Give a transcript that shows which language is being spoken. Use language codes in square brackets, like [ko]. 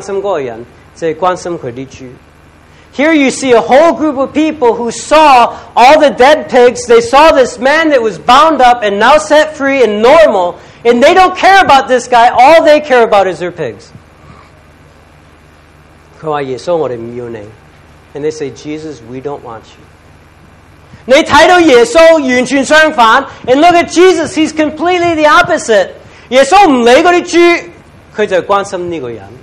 [zh] 你看到这班人的心呢，他是看到猪死的，还有一个原本是鬼附着，是没办法控制，是变成精神清醒，但是他不关心那个人，只关心他的猪。 [en] Here you see a whole group of people who saw all the dead pigs, they saw this man that was bound up and now set free and normal, and they don't care about this guy, all they care about is their pigs. [zh] 他说耶稣我们不要你, [en] and they say, Jesus, we don't want you. [zh] 你看到耶稣完全相反, [en] and look at Jesus, he's completely the opposite. [zh] 耶稣不理那些猪, 他就关心这个人。